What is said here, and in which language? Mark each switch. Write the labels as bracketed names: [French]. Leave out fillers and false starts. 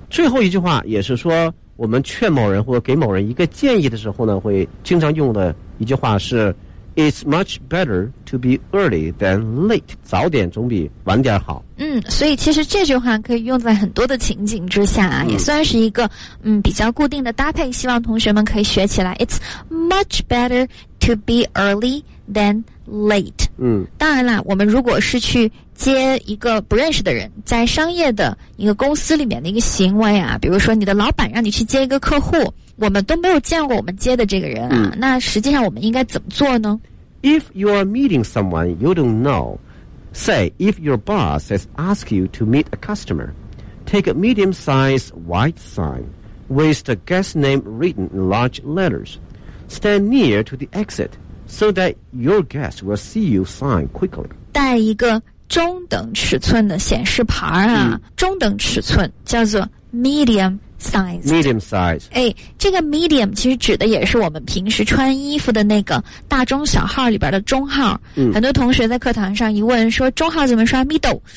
[Chinese] 最后一句话也是说我们劝某人或给某人一个建议的时候呢，会经常用的一句话是 [English] It's much better to be early than late， [Chinese] 早点总比晚点好。嗯，所以其实这句话可以用在很多的情景之下啊、嗯、也算是一个嗯比较固定的搭配，希望同学们可以学起来。 [English] It's much better to be early than late。嗯， [Chinese] 当然啦，我们如果是去接一个不认识的人，在商业的一个公司里面的一个行为啊，比如说你的老板让你去接一个客户，我们都没有见过我们接的这个人啊、嗯、那实际上我们应该怎么做呢？ [English] If you are meeting someone you don't know,Say, if your boss has asked you to meet a customer, take a medium-sized white sign with the guest name written in large letters. Stand near to the exit so that your guest will see you sign quickly. [Chinese] 带一个中等尺寸的显示牌啊、嗯、中等尺寸叫做 medium-sized. [English] Medium-sized. [Chinese] 哎，这个 medium 其实指的也是我们平时穿衣服的那个大中小号里边的中号、嗯、很多同学在课堂上一问说中号怎么说 middle、